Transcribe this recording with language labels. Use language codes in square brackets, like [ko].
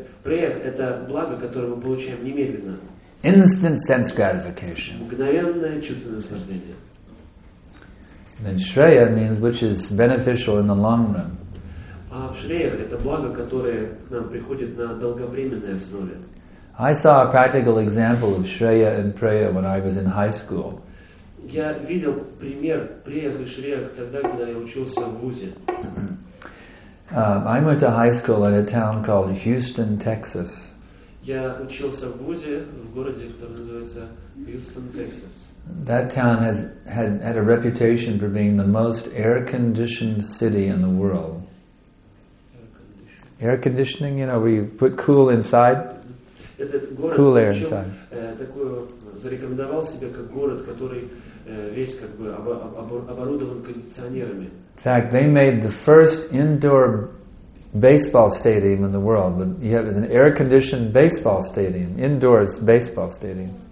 [ru] Preya это благо, которое мы получаем немедленно. [en] Instant sense gratification. [ru] Мгновенное чувственное наслаждение. [en] Then Shreya means which is beneficial in the long run. [ru] А Shreya это благо, которое к нам приходит на долговременной основе. [en] I saw a practical example of Shreya and Preya when I was in high school. [ru] Я видел пример Preya и Shreya тогда, когда я учился в вузе. [en] I went to high school in a town called Houston, Texas. [ru] Я учился в вузе в городе, который называется Houston, Texas. [en] That town has had a reputation for being the most air-conditioned city in the world. Air conditioning, you know, where you put cool inside. [ru] Этот город [en] cool air inside. [ru] Такой зарекомендовал себя как город, который весь как бы оборудован кондиционерами. [en] In fact, they made the first indoor baseball stadium in the world. You have an air-conditioned baseball stadium, indoors baseball stadium.